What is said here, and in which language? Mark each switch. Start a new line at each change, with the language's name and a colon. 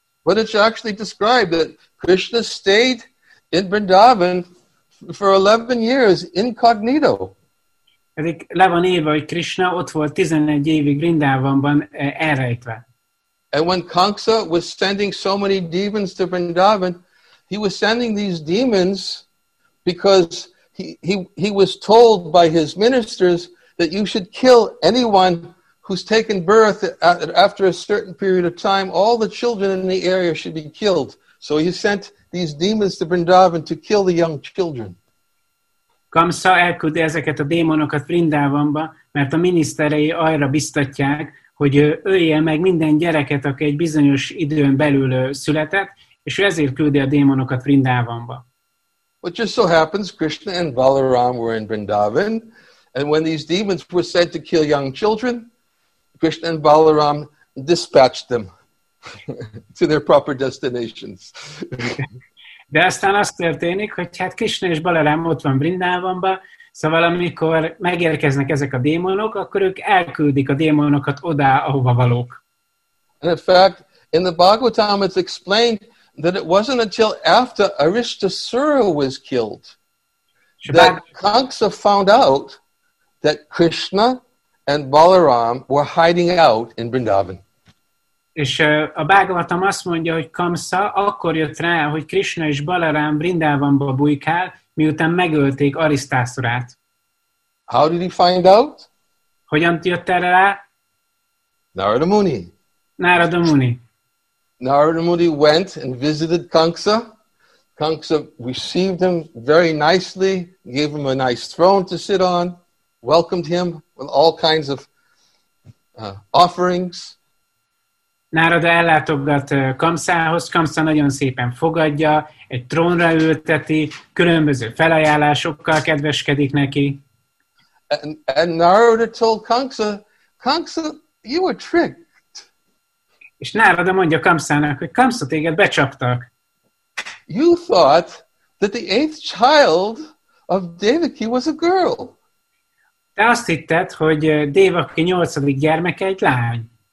English: But it's actually described that Krishna stayed in Vrindavan for 11 years incognito.
Hungarian: Ezek le van írva, hogy Krishna ott volt 11 évig Vrindavanban elrejtve.
English: And when Kamsa was sending so many demons to Vrindavan, he was sending these demons because he was told by his ministers that you should kill anyone who's taken birth after a certain period of time, all the children in the area should be killed. So he sent these demons to Vrindavan to kill the young children.
Hungarian: Kamsa elküldi ezeket a démonokat Vrindavanba, mert a miniszterei arra biztatják, hogy ölje meg minden gyereket, aki egy bizonyos időn belül született, és ezért küldi a démonokat Vrindavanba.
English: What just so happens, Krishna and Balaram were in Vrindavan, and when these demons were said to kill young children, Krishna and Balaram dispatched them to their proper destinations.
Hungarian: De aztán az történik, hogy hát Krishna és Balaram ott van Vrindavanba, szóval amikor megérkeznek ezek a démonok, akkor ők elküldik a démonokat oda, ahova valók.
English: And in fact, in the Bhagavatam it's explained that it wasn't until after Arishtasura was killed that Kamsa found out that Krishna and Balaram were hiding out in Vrindavan.
Hungarian: És a Bhagavatam azt mondja, hogy Kamsa akkor jött rá, hogy Krishna és Balarám Vrindávanba bujkál, miután megölték Arisztászurát.
English: How did he find out?
Hungarian: Hogyan jött erre rá?
English: Narada Muni.
Hungarian: Narada Muni.
English: Narada Muni went and visited Kamsa. Kamsa received him very nicely, gave him a nice throne to sit on, welcomed him with all kinds of offerings.
Hungarian: Narada ellátogat Kamszához, Kamsza nagyon szépen fogadja, egy trónra ülteti, különböző felajánlásokkal kedveskedik neki.
English: And Narada told Kamsza, Kamsza, you were tricked.
Hungarian: És Narada mondja Kamszának, hogy Kamsza, téged becsaptak.
English: You thought that the eighth child of Devaki was a girl.
Hungarian: Te azt hitted, hogy Devaki nyolcadik gyermeke egy lány.